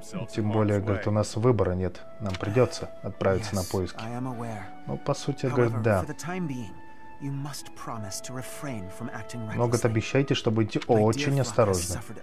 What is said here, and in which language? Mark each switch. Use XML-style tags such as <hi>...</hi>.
<ru>Тем более, говорит, у нас выбора нет. Нам придется отправиться на поиски. Ну, по сути, говорит, да.</ru> <en>You must promise to refrain from acting recklessly.</en> <ru>Но, говорит, обещайте, что будете очень осторожны.</ru>